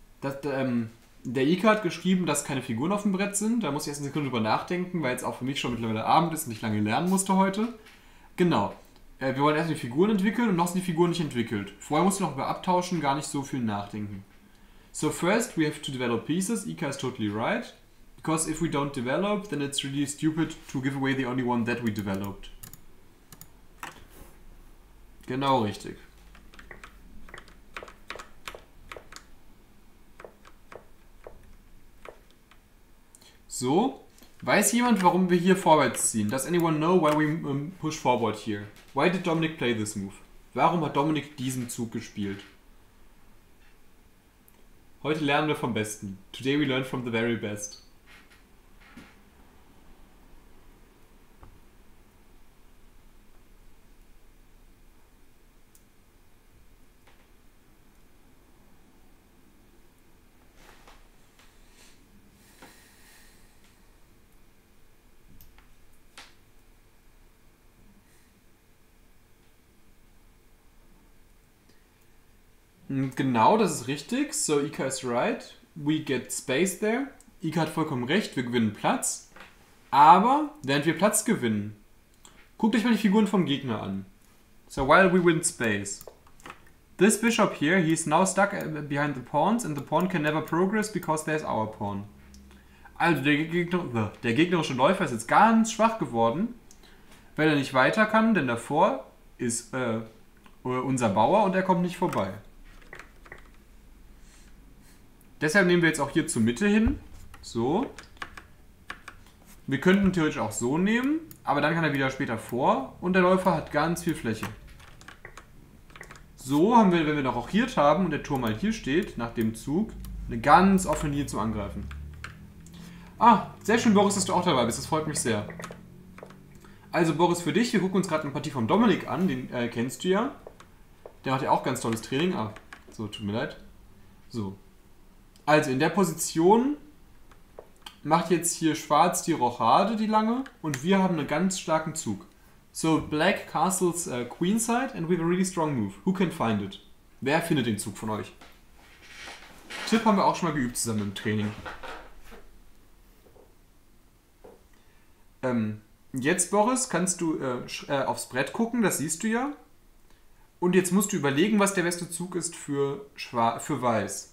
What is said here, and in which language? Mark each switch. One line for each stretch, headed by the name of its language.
German: Der Ike hat geschrieben, dass keine Figuren auf dem Brett sind. Da muss ich erst eine Sekunde drüber nachdenken, weil es auch für mich schon mittlerweile Abend ist und ich lange lernen musste heute. Genau. Wir wollen erst die Figuren entwickeln und noch sind die Figuren nicht entwickelt. Vorher musst du noch über Abtauschen gar nicht so viel nachdenken.
English: So first we have to develop pieces. Ike is totally right. Because if we don't develop, then it's really stupid to give away the only one that we developed.
German: Genau richtig. So, weiß jemand, warum wir hier vorwärts ziehen?
English: Does anyone know why we push forward here? Why did Dominic play this move?
German: Warum hat Dominic diesen Zug gespielt? Heute lernen wir vom Besten.
English: Today we learn from the very best.
German: Genau, das ist richtig.
English: So, Ika is right. We get space there.
German: Ika hat vollkommen recht, wir gewinnen Platz. Aber während wir Platz gewinnen, guckt euch mal die Figuren vom Gegner an.
English: So, while we win space. This bishop here, he is now stuck behind the pawns and the pawn can never progress because there is our pawn.
German: Also, der gegnerische Läufer ist jetzt ganz schwach geworden, weil er nicht weiter kann, denn davor ist unser Bauer und er kommt nicht vorbei. Deshalb nehmen wir jetzt auch hier zur Mitte hin. So. Wir könnten theoretisch auch so nehmen, aber dann kann er wieder später vor und der Läufer hat ganz viel Fläche. So haben wir, wenn wir noch rochiert haben und der Turm mal halt hier steht, nach dem Zug, eine ganz offene Linie zum Angreifen. Ah, sehr schön, Boris, dass du auch dabei bist. Das freut mich sehr. Also, Boris, für dich, wir gucken uns gerade eine Partie von Dominik an. Den kennst du ja. Der macht ja auch ganz tolles Training. Ah, so, tut mir leid. So. Also, in der Position macht jetzt hier Schwarz die Rochade, die lange. Und wir haben einen ganz starken Zug.
English: So, Black castles Queenside and we have a really strong move. Who can find it?
German: Wer findet den Zug von euch? Tipp haben wir auch schon mal geübt zusammen im Training. Jetzt, Boris, kannst du aufs Brett gucken, das siehst du ja. Und jetzt musst du überlegen, was der beste Zug ist für Weiß.